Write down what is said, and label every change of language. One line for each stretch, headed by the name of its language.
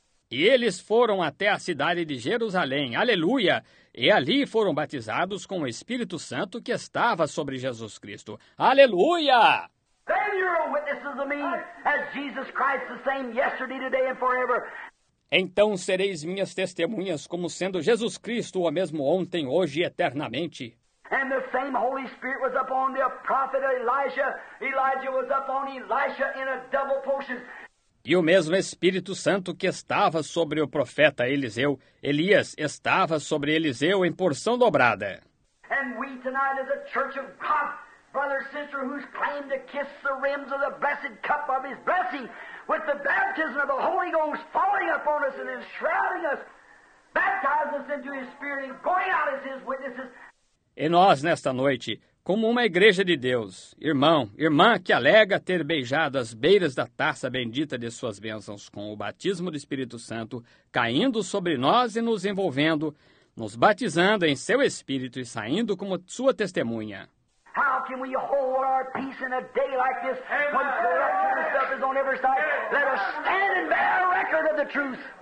Portuguese: E eles foram até a cidade de Jerusalém. Aleluia. E ali foram batizados com o Espírito Santo que estava sobre Jesus Cristo. Aleluia!
English: Then you're witnesses of me, as Jesus Christ the same yesterday, today and forever.
Portuguese: Então sereis minhas testemunhas como sendo Jesus Cristo o mesmo ontem, hoje e eternamente.
English: And the same Holy Spirit was upon the prophet Elijah. Elijah was upon Elisha in a double portion.
Portuguese: E o mesmo Espírito Santo que estava sobre o profeta Eliseu, Elias, estava sobre Eliseu em porção dobrada.
English: And we tonight as a church of God, brother, sister, who's claimed to kiss the rims of the blessed cup of his blessing, with the baptism of the Holy Ghost falling upon us and enshrouding us, baptizing us into his spirit and going out as his witnesses.
Portuguese: E nós, nesta noite, como uma igreja de Deus, irmão, irmã que alega ter beijado as beiras da taça bendita de suas bênçãos com o batismo do Espírito Santo, caindo sobre nós e nos envolvendo, nos batizando em seu Espírito e saindo como sua testemunha.
English: How can we hold our peace in a day like this when corruption and stuff is on every side? Let us stand and bear a record of the truth.